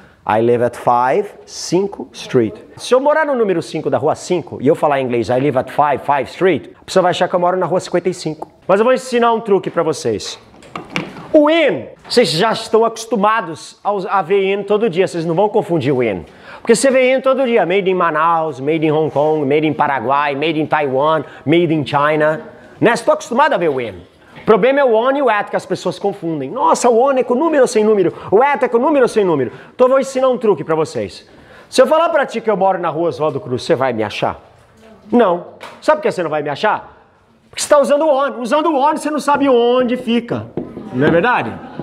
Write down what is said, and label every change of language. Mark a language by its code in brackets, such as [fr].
[en] I live at 5, 5 Street. [pt] Se eu morar no número 5 da rua 5 e eu falar em inglês [en] I live at 5, 5 Street, [pt] a pessoa vai achar que eu moro na rua 55. Mas eu vou ensinar um truque pra vocês. O in. Vocês já estão acostumados a ver in todo dia. Vocês não vão confundir o in. Porque você vê in todo dia, [en] made in Manaus, made in Hong Kong, made in Paraguai, made in Taiwan, made in China. [pt] Né? Estou acostumado a ver o in. O problema é o on e o at, que as pessoas confundem. Nossa, o on é com número ou sem número? O at é com número ou sem número? Então eu vou ensinar um truque pra vocês. Se eu falar pra ti que eu moro na rua Oswaldo Cruz, você vai me achar? Não. Não. Sabe por que você não vai me achar? Porque você está usando o on. Usando o on, você não sabe onde fica. Não é verdade?